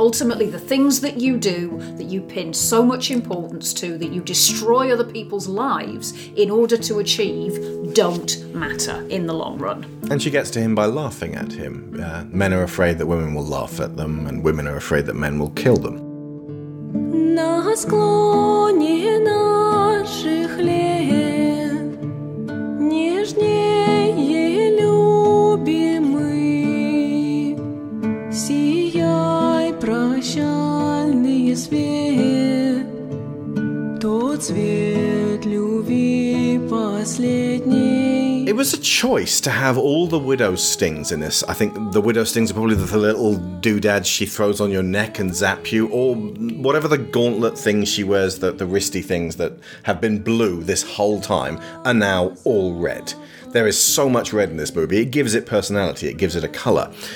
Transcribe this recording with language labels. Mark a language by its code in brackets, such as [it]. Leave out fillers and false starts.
[en] Ultimately, the things that you do, that you pin so much importance to, that you destroy other people's lives in order to achieve, don't matter in the long run. And she gets to him by laughing at him. Men are afraid that women will laugh at them, and women are afraid that men will kill them. [ru] На склоне наших лет нежнее любимый сияй прощальный свет тот цвет любви последний. [en] It was a choice to have all the widow stings in this. I think the widow stings are probably the little doodads she throws on your neck and zap you, or whatever the gauntlet things she wears, the wristy things that have been blue this whole time, are now all red. There is so much red in this movie. It gives it personality. It gives it a colour.